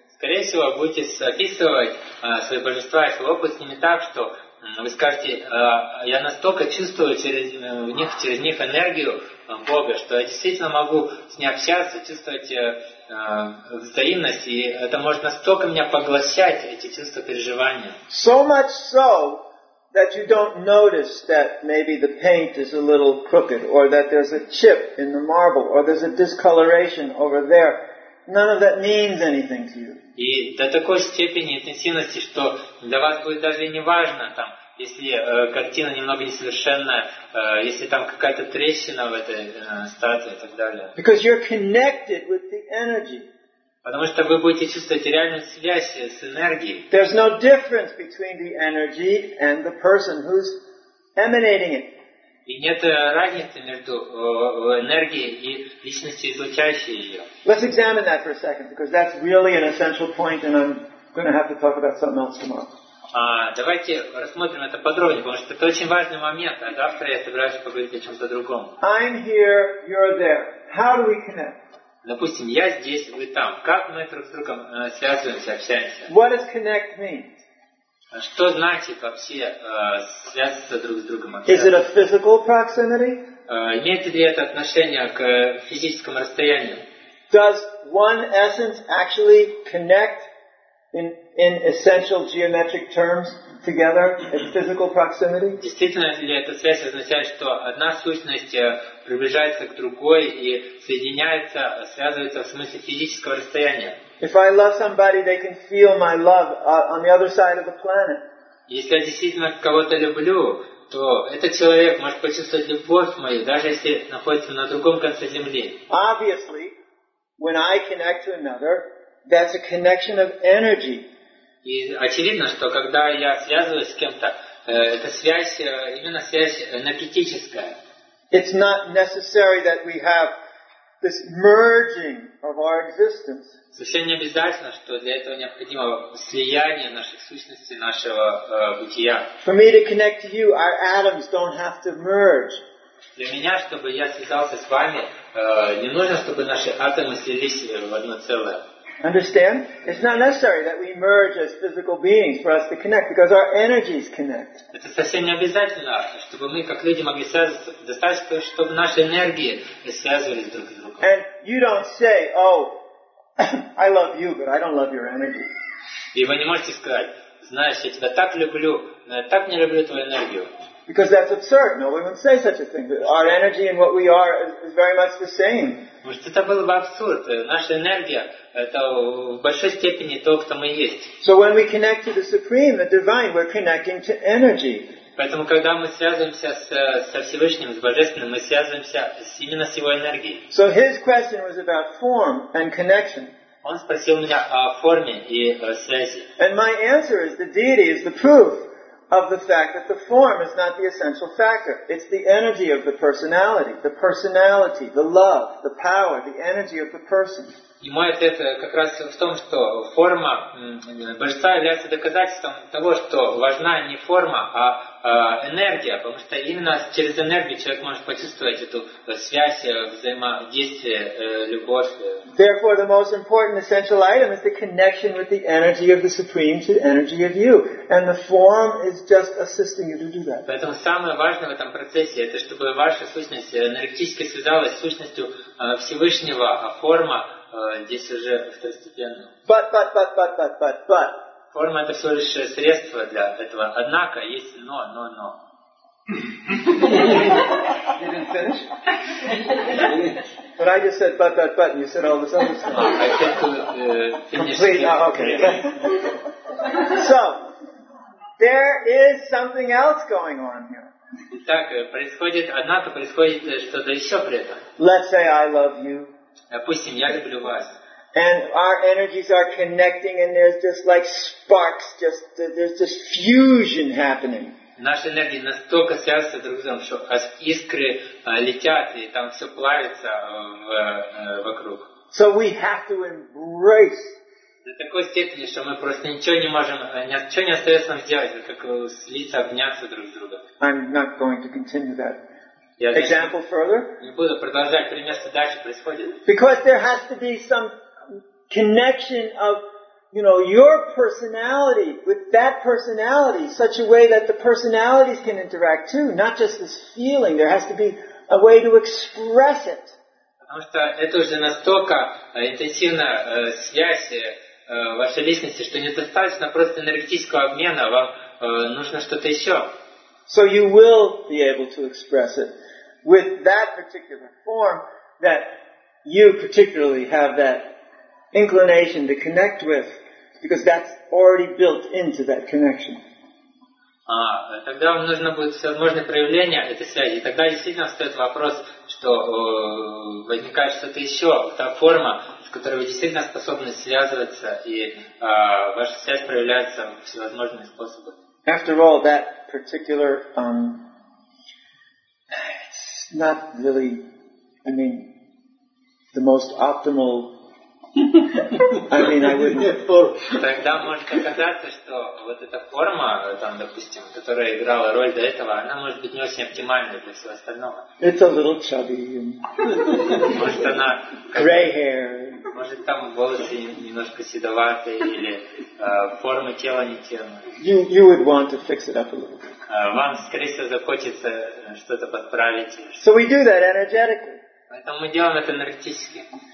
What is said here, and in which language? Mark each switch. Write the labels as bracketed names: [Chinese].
[Russian] Скорее всего, будете описывать свои божества и свой опыт с ними так, что вы скажете: я настолько чувствую через них энергию Бога, что я действительно могу с ней общаться, чувствовать взаимность, и это может настолько меня поглощать, эти чувства, переживания. [English] So much so that you don't notice that maybe the paint is a little crooked, or that there's a chip in the marble, or there's a discoloration over there. None of that means anything to you. [Russian] И до такой степени интенсивности, что для вас будет даже не важно, там, если картина немного несовершенная, если там какая-то трещина в этой статуе и так далее. [English] Because you're connected with the energy. [Russian] Потому что вы будете чувствовать реальную связь с энергией. [English] There's no difference between the energy and the person who's emanating it. [Russian] И нет разницы между энергией и личностью, излучающей ее. [English] Let's examine that for a second, because that's really an essential point, and I'm going to have to talk about something else tomorrow. [Russian] Давайте рассмотрим это подробнее, потому что это очень важный момент, а завтра я собираюсь поговорить о чем-то другом. [English] I'm here, you're there. How do we connect? [Russian] Допустим, я здесь, вы там. Как мы друг с другом связываемся, общаемся? [English] What does connect mean? [Russian] Что значит вообще связываться друг с другом? [English] Is it a physical proximity? [Russian] Имеет ли это отношение к физическому расстоянию? [English] Does one essence actually connect in essential geometric terms together in physical proximity? [Russian] Действительно ли эта связь означает, что одна сущность приближается к другой и соединяется, связывается в смысле физического расстояния? [English] If I love somebody, they can feel my love on the other side of the planet. [Russian] Если я действительно кого-то люблю, то этот человек может почувствовать любовь мою, даже если находится на другом конце земли. [English] Obviously, when I connect to another, that's a connection of energy. [Russian] И очевидно, что когда я связываюсь с кем-то, это связь, именно связь энергетическая. [English] It's not necessary that we have this merging of our existence. [Russian] Совсем не обязательно, что для этого необходимо слияние наших сущностей, нашего бытия. [English] For me to connect to you, our atoms don't have to merge. [Russian] Для меня, чтобы я связался с вами, не нужно, чтобы наши атомы слились в одно целое. [English] Understand? It's not necessary that we merge as physical beings for us to connect, because our energies connect. [Russian] Это совсем не обязательно, чтобы мы как люди могли связываться. Достаточно, чтобы наши энергии связывались друг с другом. [English] And you don't say, "Oh, I love you, but I don't love your energy." [Russian] И вы не можете сказать: "Знаешь, я тебя так люблю, но я так не люблю твою энергию." [English] Because that's absurd. No one would say such a thing. Our energy and what we are is very much the same. [Russian] Это был бы абсурд. Наша энергия — это в большой степени то, кто мы есть. [English] So when we connect to the Supreme, the Divine, we're connecting to energy. [Russian] Поэтому, когда мы связываемся со Всевышним, с Божественным, мы связываемся именно с Его энергией. [English] So his question was about form and connection. [Russian] Он спросил меня о форме и связи. [English] And my answer is the deity is the proof of the fact that the form is not the essential factor. It's the energy of the personality, the love, the power, the energy of the person. [Russian] И мой ответ как раз в том, что форма Божества является доказательством того, что важна не форма, а энергия, потому что именно через энергию человек может почувствовать эту связь, взаимодействие, любовь. [English] Therefore, the most important essential item is the connection with the energy of the Supreme to the energy of you. And the form is just assisting you to do that. [Russian] Поэтому самое важное в этом процессе, это чтобы ваша сущность энергетически связалась с сущностью Всевышнего, а форма здесь уже второстепенно. [English] But. [Russian] Форма — это всего лишь средство для этого. Однако, есть но. [English] Didn't finish? But I just said but, and you said all this other stuff. I can't finish. Okay. So, there is something else going on here. [Russian] Итак, происходит, однако происходит что-то еще при этом. [English] Let's say I love you. [Russian] Допустим, я люблю вас. [English] And our energies are connecting, and there's just like sparks, just there's this fusion happening. [Russian] Наши энергии настолько связаны друг с другом, что искры летят, и там все плавится вокруг. [English] So we have to embrace. [Russian] До такой степени, что мы просто ничего не можем, ничего не остается нам сделать, как слиться, обняться друг с другом. [English] I'm not going to continue that. Example further. [Russian] Не буду продолжать, пример, что дальше происходит. [English] Because there has to be some connection of, you know, your personality with that personality, such a way that the personalities can interact too, not just this feeling. There has to be a way to express it. [Russian] Потому что это уже настолько интенсивная связь вашей личности, что недостаточно просто энергетического обмена, вам нужно что-то еще. [English] So you will be able to express it with that particular form that you particularly have that inclination to connect with, because that's already built into that connection. [Russian] Тогда вам нужно будет всевозможные проявления этой связи. Тогда действительно встает вопрос, что возникает что-то еще, та форма, с которой вы действительно способны связываться, и ваша связь проявляется всевозможными способами. [English] After all, that particular, it's not really, the most optimal. I wouldn't. [Russian] Тогда может оказаться, что вот эта форма, там, допустим, которая играла роль до этого, она может быть не очень оптимальной для всего остального. [English] It's a little chubby. [Russian] Может она. [English] Gray hair. [Russian] Может там волосы немножко седоватые или формы тела не темные. [English] You would want to fix it up a little. [Russian] Вам, скорее всего, захочется что-то подправить. [English] So we do that energetically. [Russian] Поэтому мы делаем это энергетически.